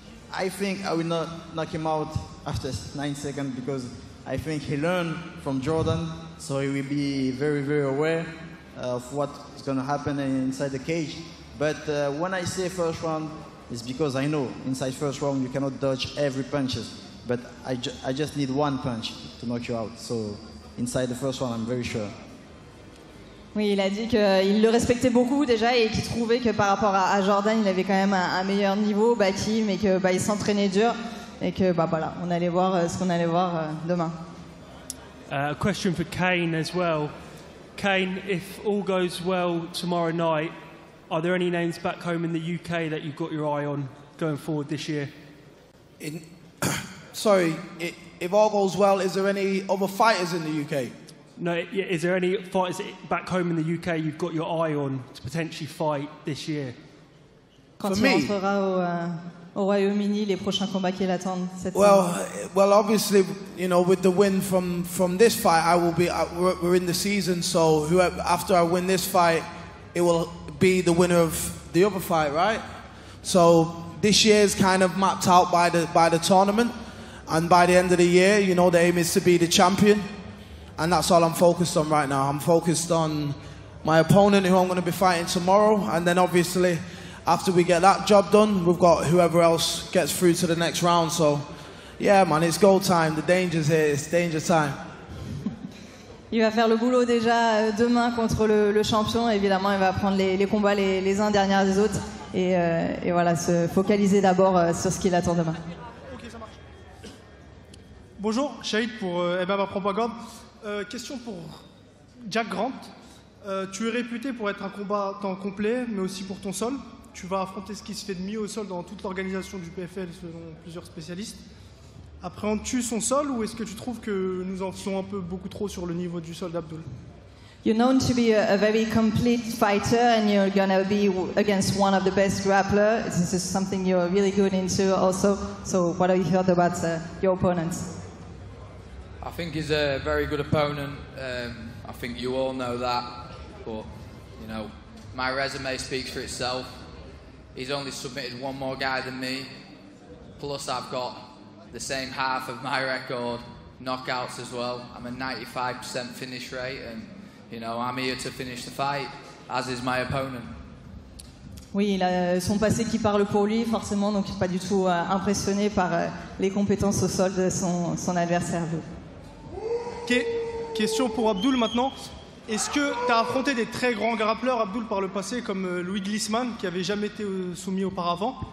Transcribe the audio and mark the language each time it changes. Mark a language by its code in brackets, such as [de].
[en] I think I will not knock him out after 9 seconds because I think he learned from Jordan, so he will be very, very aware of what is going to happen inside the cage. But when I say first round, it's because I know inside first round you cannot dodge every punches, but I just need one punch to knock you out. So. Inside the first one, I'm very sure. [fr] Oui, il a dit qu'il le respectait beaucoup déjà et qu'il trouvait que par rapport à Jordan, il avait quand même un meilleur niveau, Baki, mais qu'il s'entraînait dur et que voilà, on allait voir ce qu'on allait voir demain. [en] A question for Kane as well. Kane, if all goes well tomorrow night, are there any names back home in the UK that you've got your eye on going forward this year? If all goes well, is there any other fighters in the UK? No, is there any fighters back home in the UK you've got your eye on to potentially fight this year? [fr] Quand [en] for me? [fr] Quand tu rentreras au Royaume-Uni, les prochains combats qui l'attendent cette année? [en] Well, obviously, you know, with the win from this fight, I will be, we're in the season, so after I win this fight, it will be the winner of the other fight, right? So this year is kind of mapped out by the tournament. And by the end of the year, you know, the aim is to be the champion. And that's all I'm focused on right now. I'm focused on my opponent, who I'm going to be fighting tomorrow. And then obviously, after we get that job done, we've got whoever else gets through to the next round. So, yeah, man, it's go time. The danger's here. It's danger time. [fr] Il va faire le boulot déjà demain contre le champion. Évidemment, il va prendre les combats les uns derrière les autres. Et voilà, se focaliser d'abord sur ce qu'il attend demain. Bonjour, Shahid pour MMA Propagande. Question pour Jack Grant. Tu es réputé pour être un combattant complet, mais aussi pour ton sol. tu vas affronter ce qui se fait de mieux au sol dans toute l'organisation du PFL selon plusieurs spécialistes. Appréhendes-tu son sol ou est-ce que tu trouves que nous en faisons un peu beaucoup trop sur le niveau du sol d'Abdul? [en] You're known to be a very complete fighter and you're going to be against one of the best grapplers. This is something you're really good into also. So what have you thought about your opponents? I think he's a very good opponent. I think you all know that. But, you know, my resume speaks for itself. He's only submitted one more guy than me. Plus I've got the same half of my record, knockouts as well. I'm a 95% finish rate and, you know, I'm here to finish the fight, as is my opponent. [fr] Oui, il a son passé qui parle pour lui, forcément, donc pas du tout impressionné par les compétences au sol de son adversaire. Question pour Abdul maintenant. Est-ce que tu as affronté des très grands grappleurs, Abdul, par le passé, comme Louis Glissman, qui avait jamais été soumis auparavant?